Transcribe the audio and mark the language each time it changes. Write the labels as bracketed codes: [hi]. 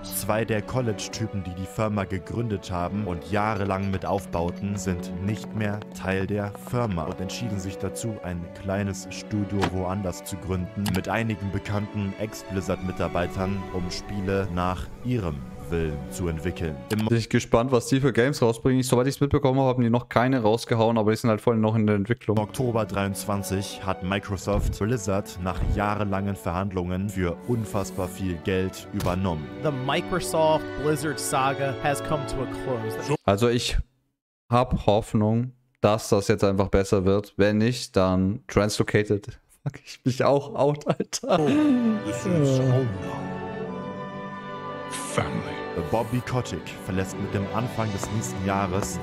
[de] Zwei der College-Typen, die die Firma gegründet haben und jahrelang mit aufbauten, sind nicht mehr Teil der Firma und entschieden sich dazu, ein kleines Studio woanders zu gründen, mit einigen bekannten Ex-Blizzard-Mitarbeitern, um Spiele nach ihrem Willen zu entwickeln. Bin ich gespannt, was die für Games rausbringen. Soweit ich es mitbekommen habe, haben die noch keine rausgehauen, aber die sind halt voll noch in der Entwicklung. Im Oktober 23 hat Microsoft Blizzard nach jahrelangen Verhandlungen für unfassbar viel Geld übernommen. [en] The Microsoft Blizzard Saga has come to a close. [de] Also ich habe Hoffnung, dass das jetzt einfach besser wird. Wenn nicht, dann translocated. Fuck ich mich auch out, Alter. Bobby Kotick verlässt mit dem Anfang des nächsten Jahres.